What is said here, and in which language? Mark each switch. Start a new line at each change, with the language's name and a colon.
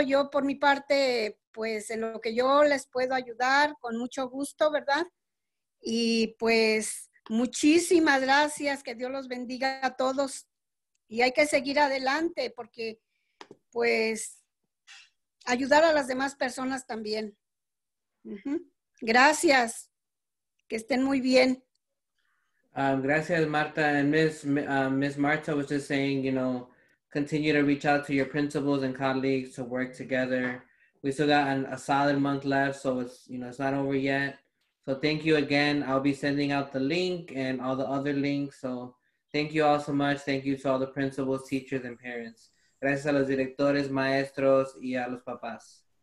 Spanish: Yo por mi parte, pues en lo que yo les puedo ayudar, con mucho gusto, ¿verdad? Y pues muchísimas gracias, que Dios los bendiga a todos y hay que seguir adelante porque pues ayudar a las demás personas también. Gracias, que estén muy bien.
English: Gracias Marta, and Miss Marta was just saying, you know, continue to reach out to your principals and colleagues to work together. We still got a solid month left, so it's, you know, it's not over yet. So thank you again. I'll be sending out the link and all the other links. So thank you all so much. Thank you to all the principals, teachers, and parents.
Spanish: Gracias a los directores, maestros, y a los papás.